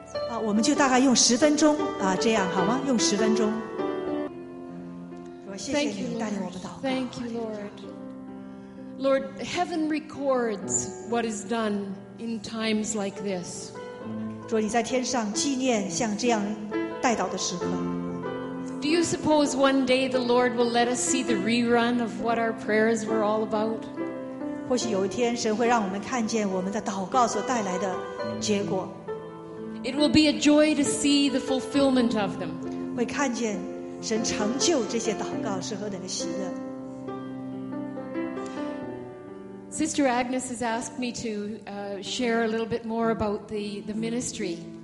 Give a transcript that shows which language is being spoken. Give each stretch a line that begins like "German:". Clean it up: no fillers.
Chinese: Ah, 我们就大概用十分钟啊，这样好吗？用十分钟。我谢谢你带领我们祷告。
English: Thank you, Lord. Lord, heaven records what is done in times like this.
Chinese: 主，你在天上纪念像这样代祷的时刻。
English: Do you suppose one day the Lord will let us see the rerun of what our prayers were all about?
Chinese: 或许有一天神会让我们看见我们的祷告所带来的结果。
English: It will be a joy to see the fulfillment of them.
Chinese: 会看见神成就这些祷告是何等的喜乐。
English: Sister Agnes has asked me to share a little bit more about the ministry.